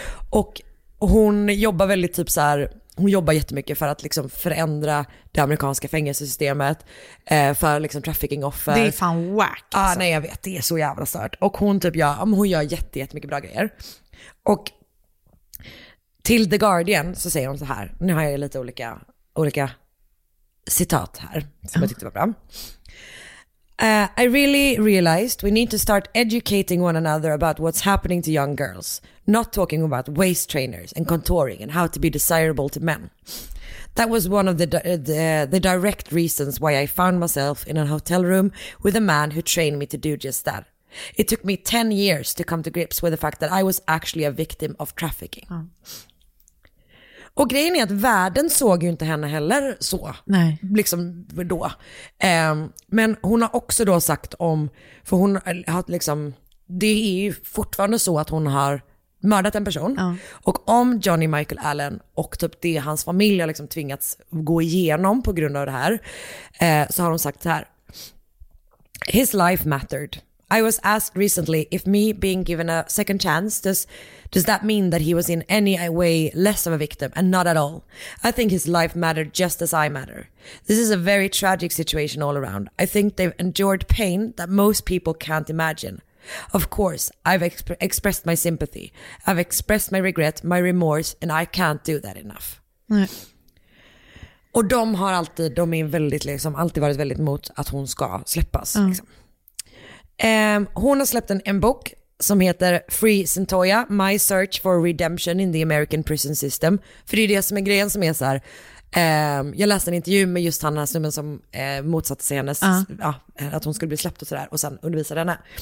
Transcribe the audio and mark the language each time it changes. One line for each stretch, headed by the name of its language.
Swedish: Och hon jobbar väldigt typ så här, hon jobbar jättemycket för att liksom förändra det amerikanska fängelsesystemet för liksom trafficking offer. Det är fan whack. Ja, alltså. Nej, jag vet, det är så jävla stört. Och hon typ hon gör jättemycket bra grejer. Och till The Guardian så säger hon så här. Nu har jag lite olika citat här som jag tyckte var bra.
English: "I really realized we need to start educating one another about what's happening to young girls, not talking about waist trainers and contouring and how to be desirable to men. That was one of the direct reasons why I found myself in a hotel room with a man who trained me to do just that. It took me 10 years to come to grips with the fact that I was actually a victim of trafficking."
Swedish: Och grejen är att världen såg ju inte henne heller så. Nej. Liksom då. Men hon har också då sagt om, för hon har liksom, det är ju fortfarande så att hon har mördat en person. Ja. Och om Johnny Michael Allen och typ det hans familj har liksom tvingats gå igenom på grund av det här, så har hon sagt så här:
English: "His life mattered. I was asked recently if me being given a second chance, does that mean that he was in any way less of a victim? And not at all. I think his life mattered just as I matter. This is a very tragic situation all around. I think they've endured pain that most people can't imagine. Of course, I've expressed my sympathy. I've expressed my regret, my remorse, and I can't do that enough."
Swedish: Nej. Och de har alltid, de är väldigt liksom, alltid varit väldigt mot att hon ska släppas. Mm. Liksom. Hon har släppt en bok som heter Free Cyntoia, My Search for Redemption in the American Prison System. För det är det som är grejen som är så här. Jag läste en intervju med just han här snubben som motsatte sig hennes, att hon skulle bli släppt och sådär, och sen undervisade henne.